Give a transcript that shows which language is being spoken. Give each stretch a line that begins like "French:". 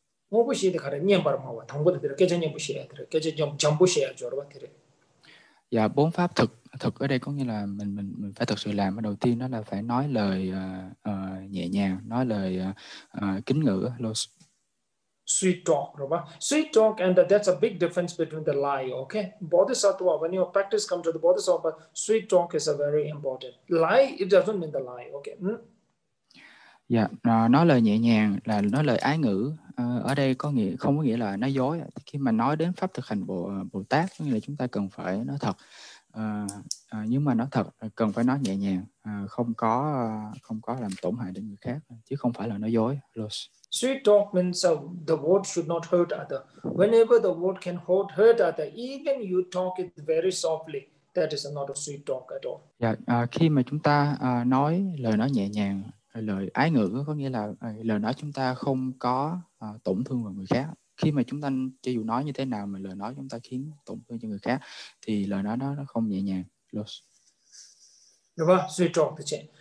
Vietnamese: Ngô bu xì thì khả năng nhiên bảo mà và thông qua được cái chân nhiên bu xì thì cái chân nhiên chân bu xì chú rồi thì. Dạ, 4 pháp thực thực ở đây có nghĩa là mình phải thực sự làm. Đầu tiên đó là phải nói lời nhẹ nhàng, nói lời kính ngữ. Los.
English: Sweet talk, right? Sweet talk, and that's a big difference between the lie, okay? Bodhisattva, when your practice comes to the bodhisattva, sweet talk is a very important. Lie, it doesn't mean the lie, okay? Hmm?
Vietnamese: Yeah, nói lời nhẹ nhàng là nói lời ái ngữ. Ở đây có nghĩa không có nghĩa là nói dối. Khi mà nói đến pháp thực hành Bồ Tát, có nghĩa là chúng ta cần phải nói thật. Nhưng mà nói thật, cần phải nói nhẹ nhàng, không có làm tổn hại đến người khác, chứ không phải là nói dối. Los.
English: Sweet talk means the word should not hurt other. Whenever the word can hurt other, even you talk it very softly, that is not a sweet talk at all.
Vietnamese: Khi mà chúng ta nói lời nói nhẹ nhàng, lời ái ngữ, có nghĩa là lời nói chúng ta không có tổn thương vào người khác. Khi mà chúng ta cho dù nói như thế nào mà lời nói chúng ta khiến tổn thương cho người khác thì lời nói đó nó không nhẹ nhàng. Los. Đúng không?
English: Sweet talk
Vietnamese: thì chính.